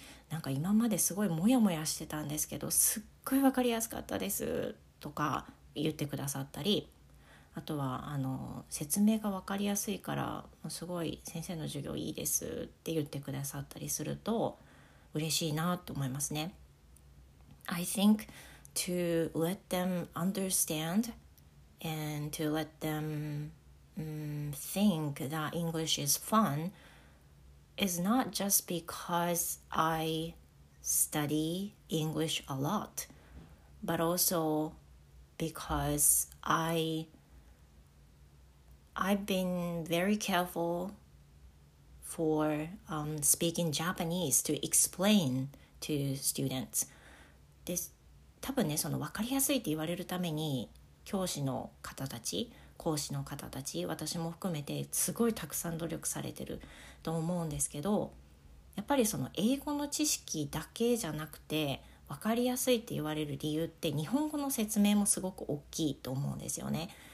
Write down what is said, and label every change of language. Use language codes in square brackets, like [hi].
[ja] なんか今まですごいモヤモヤしてたんですけど、すっごい分かりやすかったですとか言ってくださったり、あとは説明が分かりやすいからすごい先生の授業いいですって言ってくださったりすると嬉しいなと思いますね。 [en] I think to let them understand and to let them think that English is fun is not just because I study English a lot, but also because I've been very careful for speaking Japanese to explain to students. [ja] で、多分ね、その分かりやすいって言われるために教師の方たち、講師の方たち、私も含めてすごいたくさん努力されてると思うんですけど、やっぱりその英語の知識だけじゃなくて分かりやすいって言われる理由って、日本語の説明もすごく大きいと思うんですよね。